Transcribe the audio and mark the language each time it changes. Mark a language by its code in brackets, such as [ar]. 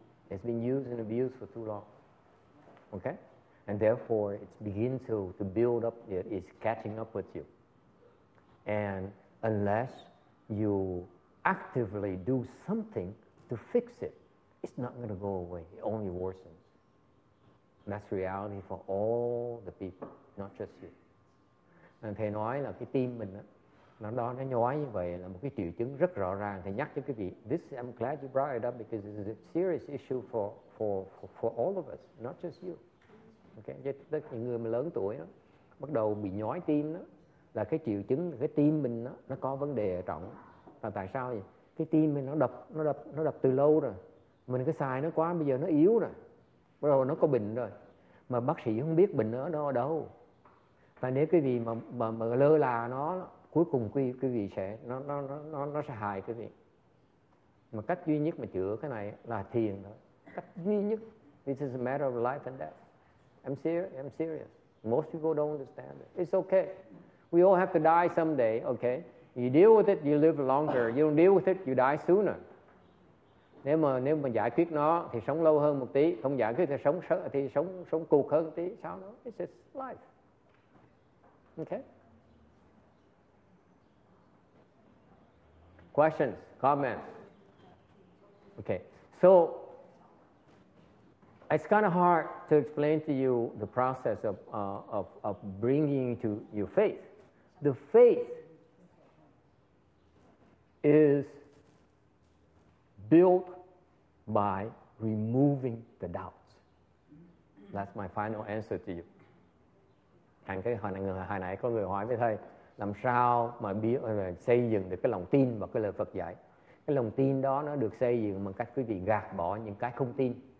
[en] It's been used and abused for too long. Okay? And therefore, it begins to build up, it is catching up with you. And unless you actively do something to fix it, it's not going to go away. It only worsens. That's reality for all the people, not just you. [vi] And thầy nói là cái tim mình nó nhói như vậy là một cái triệu chứng rất rõ ràng. Thầy nhắc cho quý vị, [en] this I'm glad you brought it up because it's a serious issue for all of us, not just you. [vi] Okay, tất những người mà lớn tuổi đó, bắt đầu bị nhói tim đó, là cái triệu chứng cái tim mình nó có vấn đề ở trọng. Và tại sao vậy? Cái tim mình nó đập từ lâu rồi, mình cứ xài nó quá, bây giờ nó yếu rồi, bắt đầu nó có bệnh rồi, mà bác sĩ không biết bệnh ở đâu. Và nếu quý vị mà lơ là nó, cuối cùng quý vị sẽ nó sẽ hại quý vị. Mà cách duy nhất mà chữa cái này là thiền thôi. Cách duy nhất, [en] this is a matter of life and death. I'm serious. Most people don't understand it. It's okay. We all have to die someday, okay? You deal with it, you live longer. You don't deal with it, you die sooner. [vi] Nếu mà giải quyết nó thì sống lâu hơn một tí, không giải quyết thì sống cục hơn một tí, sao nó? [en] It's just life. Okay? Questions, comments? Okay. So it's kind of hard to explain to you the process of bringing to your faith. The faith is built by removing the doubts. That's my final answer to you. [vi] Thành cái hồi nãy có người hỏi với thầy làm sao mà xây dựng được cái lòng tin và cái lời Phật dạy. Cái lòng tin đó nó được xây dựng bằng cách quý vị gạt bỏ những cái không tin.